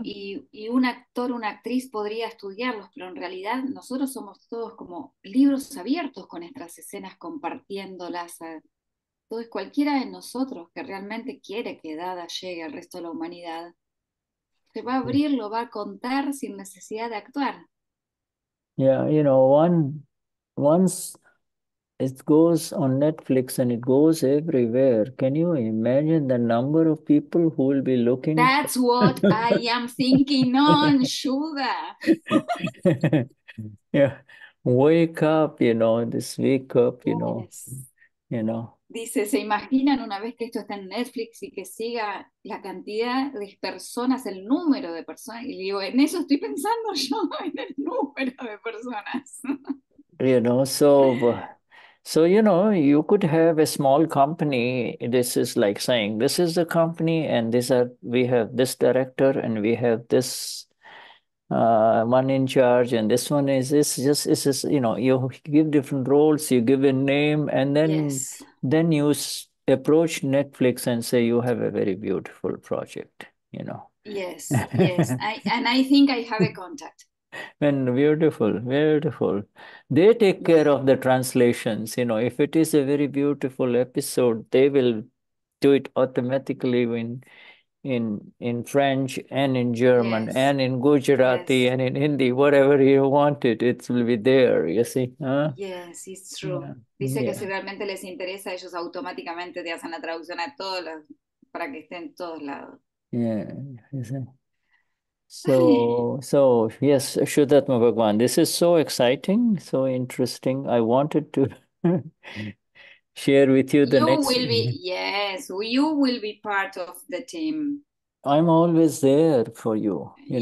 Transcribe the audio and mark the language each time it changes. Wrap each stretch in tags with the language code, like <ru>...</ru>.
<es>Y un actor, una actriz podría estudiarlos, pero en realidad nosotros somos todos como libros abiertos con estas escenas, compartiéndolas. Entonces cualquiera de nosotros que realmente quiere que Dada llegue al resto de la humanidad, se va a abrir, lo va a contar sin necesidad de actuar.</es> <en>Yeah, you know, once it goes on Netflix and it goes everywhere, can you imagine the number of people who will be looking That's what I am thinking on, Shuddha. Yeah, wake up, you know, this wake up, Yes. you know.</en> <es>Dice, ¿se imaginan una vez que esto está en Netflix y que siga la cantidad de personas, el número de personas? Y digo, en eso estoy pensando yo, en el número de personas.</es> <en>You know, so you know, you could have a small company. This is like saying, this is the company, and these are we have this director, and we have this one in charge, and this one is this. Just it's just, you know, you give different roles, you give a name, and Yes. then you s approach Netflix and say you have a very beautiful project. You Yes. know. And I think I have a contact. And beautiful, beautiful. They take care Yeah. of the translations. You know, if it is a very beautiful episode, they will do it automatically in French and in German Yes. and in Gujarati Yes. and in Hindi, whatever you want it will be there, you see. Huh? Yes, it's Yeah. true.</en> <es>Dice que si</es> <en>Yeah.</en> <es>realmente les interesa, ellos automáticamente te hacen la traducción a todos los, para que esté en todos lados.</es> <en>Yeah, you see.</en> <es>Dale.</es> <en>So yes, Shuddhatma Bhagwan, this is so exciting, so interesting. I wanted to share with you the You next. will be, yes, you will be part of the team. I'm always there for you know. I'm</en>